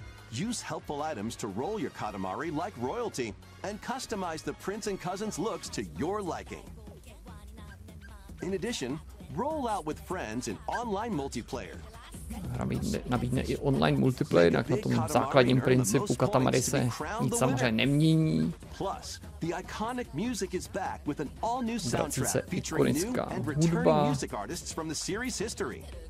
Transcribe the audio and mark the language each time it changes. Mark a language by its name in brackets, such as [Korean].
[English] Use helpful items to roll your Katamari like royalty, and customize the prince and cousin's looks to your liking. In addition, roll out with friends in online multiplayer. [Czech] Hra nabídne i online multiplayer, jak na tom základním principu Katamari se nic samozřejmě nemění. [English] Plus, the iconic music is back with an all-new soundtrack featuring new and returning music artists from the series history.